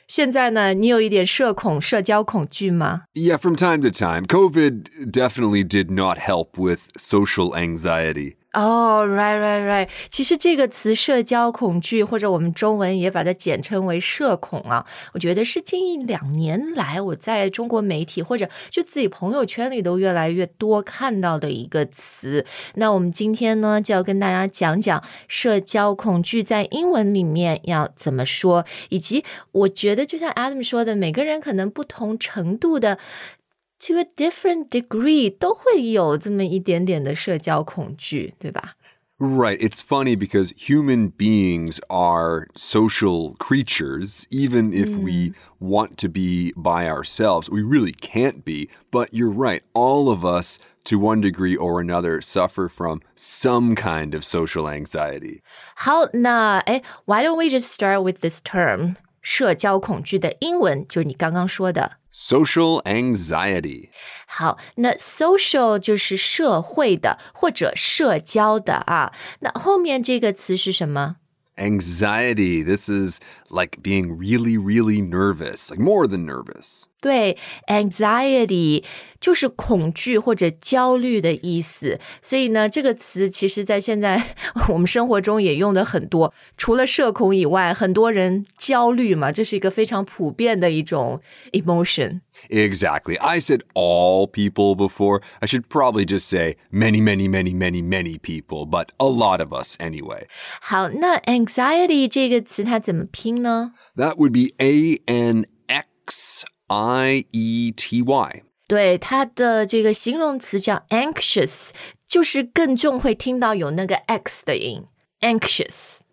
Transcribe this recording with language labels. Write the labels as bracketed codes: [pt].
[zh] 现在呢，你有一点社恐，社交恐惧吗 [en] ？Yeah, from time to time. COVID definitely did not help with social anxiety. Oh, right. [zh] 其实这个词社交恐惧或者我们中文也把它简称为社恐啊。我觉得是近一两年来我在中国媒体或者就自己朋友圈里都越来越多看到的一个词。那我们今天呢就要跟大家讲讲社交恐惧在英文里面要怎么说。以及我觉得就像 Adam 说的每个人可能不同程度的 [en] To a different degree, [zh] 都会有这么一点点的社交恐惧，对吧？ [en] Right, it's funny because human beings are social creatures, even if we want to be by ourselves, we really can't be. But you're right, all of us, to one degree or another, suffer from some kind of social anxiety. 好，那，哎，why don't we just start with this term? [zh] 社交恐惧的英文就是你刚刚说的 [en] Social anxiety [zh] 好那 social 就是社会的或者社交的啊那后面这个词是什么 [en] Anxiety This is like being really really nervous Like more than nervous [zh] 对 anxiety 就是恐惧或者焦虑的意思所以呢这个词其实在现在我们生活中也用的很多除了社恐以外很多人焦虑嘛这是一个非常普遍的一种 emotion. [en] Exactly. I said all people before. I should probably just say many, many, many, many, many people, but a lot of us anyway. [zh] 好那 anxiety 这个词它怎么拼呢 [en] That would be anxiety. [zh] 对它的这个形容词叫 anxious, 就是更重会听到有那个 X 的音 anxious.